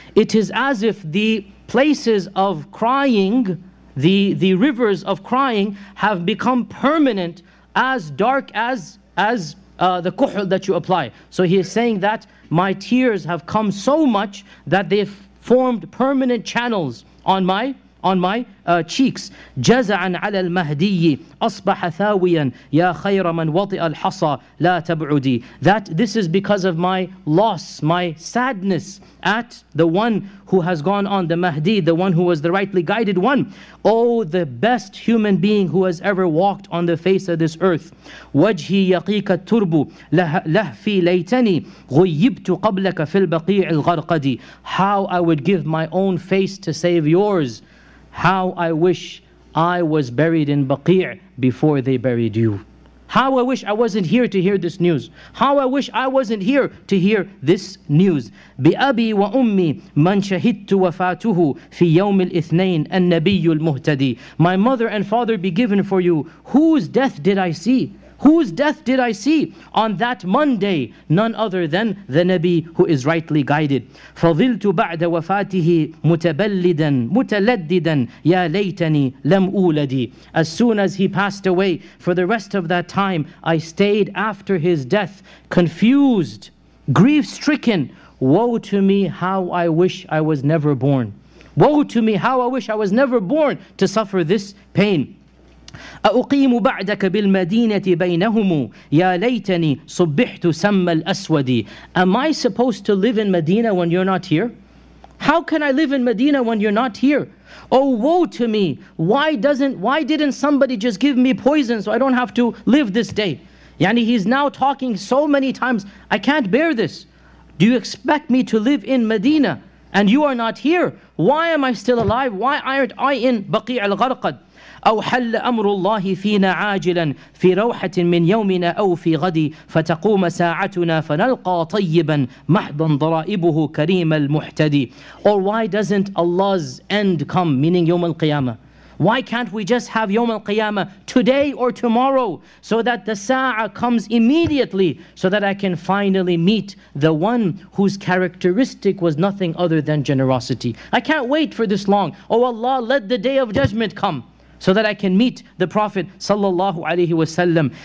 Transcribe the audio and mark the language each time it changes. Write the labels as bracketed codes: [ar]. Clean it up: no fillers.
[en] It is as if the places of crying, the rivers of crying, have become permanent, as dark as the kuhl that you apply. So he is saying that my tears have come so much that they've formed permanent channels on my cheeks. [ar] جزعاً على المهدي أصبح ثاوياً يا خير من وطئ الحصى لا تبعدي. [en] That this is because of my loss, my sadness at the one who has gone on, the Mahdi, the one who was the rightly guided one. Oh, the best human being who has ever walked on the face of this earth. [ar] وجهي يقيك التربو لهفي ليتني غيبت قبلك في البقيع الغرقدي. [en] How I would give my own face to save yours. How I wish I was buried in Baqi' before they buried you. How I wish I wasn't here to hear this news. How I wish I wasn't here to hear this news. [ar] بأبي وأمي من شهدت وفاته في يوم الاثنين النبي المهتدي. [en] My mother and father be given for you. Whose death did I see? Whose death did I see on that Monday? None other than the Nabi who is rightly guided. [ar] فظلت بعد وفاته متلددا يا ليتني لم أولدي. [en] As soon as he passed away, for the rest of that time, I stayed after his death, confused, grief-stricken. Woe to me, how I wish I was never born. Woe to me, how I wish I was never born to suffer this pain. [ar] أأقيم بعدك بالمدينة بينهم يا ليتني صبحت سما الأسود. [en] Am I supposed to live in Medina when you're not here? How can I live in Medina when you're not here? Oh, woe to me! Why didn't somebody just give me poison so I don't have to live this day? Yani he's now talking so many times, I can't bear this. Do you expect me to live in Medina and you are not here? Why am I still alive? Why aren't I in Baqi al-Gharqad? [ar] أو حل أمر الله فينا عاجلا في روحة من يومنا أو في غدي فتقوم ساعتنا فنلقى طيبا محضا ضرائبه كريم المحتدي. [en] Or why doesn't Allah's end come, meaning [ar] يوم القيامة? [en] Why can't we just have [ar] يوم القيامة [en] today or tomorrow so that the sa'a comes immediately so that I can finally meet the one whose characteristic was nothing other than generosity. I can't wait for this long. Oh Allah, let the day of judgment come so that I can meet the Prophet sallallahu alaihi wasallam.